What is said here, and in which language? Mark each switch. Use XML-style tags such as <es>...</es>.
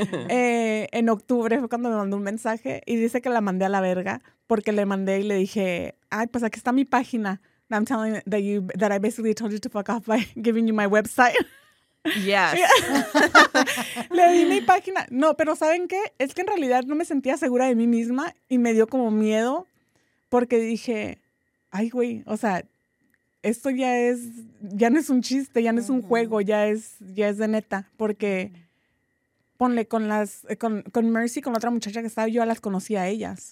<es>En octubre fue cuando me mandó un mensaje y dice que la mandé a la verga porque le mandé y le dije, ay, pues aquí está mi página.</es> <en>I'm telling that I basically told you to fuck off by giving you my website. Yes.</en> <es>Le di mi página. No, pero ¿saben qué? Es que en realidad no me sentía segura de mí misma y me dio como miedo porque dije, ay, güey, o sea, esto ya no es un chiste, ya no es un juego, ya es de neta. Porque ponle con Mercy, con otra muchacha que estaba, yo ya las conocía a ellas.</es>